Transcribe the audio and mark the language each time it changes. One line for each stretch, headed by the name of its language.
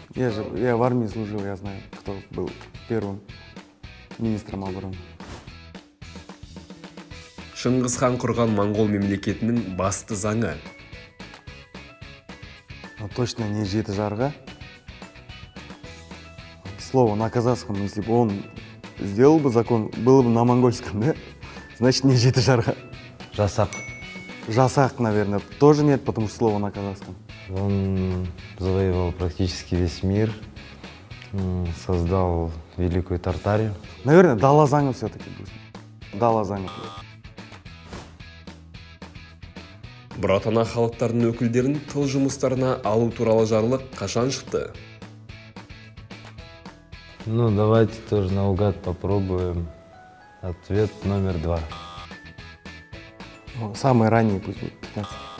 Russian: Я в армии служил, я знаю, кто был первым министром обороны.
Kazakh: Шыңғыс хан құрған монғол мемлекетінің басты заңы.
Russian: Ну, точно не жеті жарға. Слово на казахском, если бы он сделал бы закон, было бы на монгольском, да? Значит, не жеті жарға.
Kazakh: Жасақ.
Russian: Жасақ, наверное, тоже нет, потому что слово на казахском. Он завоевал практически весь мир, создал великую Тартарию. Наверное, дала заңы все-таки будет.
Kazakh: Дала заңы. Братана халықтарының өкілдерін тыл жұмыстарына алу туралы жарлық қашан шықты?
Russian: Ну, давайте тоже наугад попробуем. Ответ номер два. Самый ранний пусть будет 15.